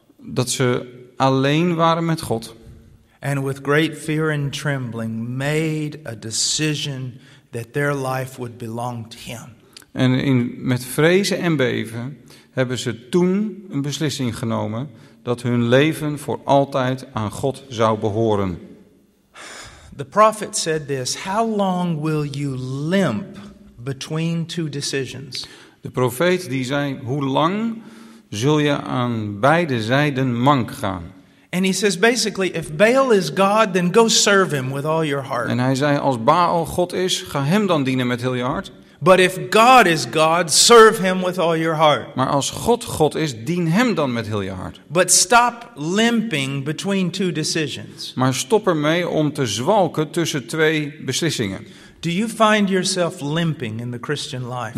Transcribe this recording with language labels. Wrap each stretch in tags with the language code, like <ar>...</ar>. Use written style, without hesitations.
<nl>Dat ze alleen waren met God.</nl> <en>And with great fear and trembling made a decision that their life would belong to him.</en> <nl>En met vrezen en beven hebben ze toen een beslissing genomen dat hun leven voor altijd aan God zou behoren.</nl> <en>The prophet said this, how long will you limp between two decisions?</en> <nl>De profeet die zei, hoe lang zul je aan beide zijden mank gaan?</nl> <en>And he says basically, if Baal is God, then go serve him with all your heart.</en> <nl>En hij zei, als Baal God is, ga hem dan dienen met heel je hart.</nl> <en>But if God is God, serve him with all your heart.</en> <nl>Maar als God God is, dien hem dan met heel je hart.</nl> <en>But stop limping between two decisions.</en> <nl>Maar stop ermee om te zwalken tussen twee beslissingen.</nl> <en>Do you find yourself limping in the Christian life?</en>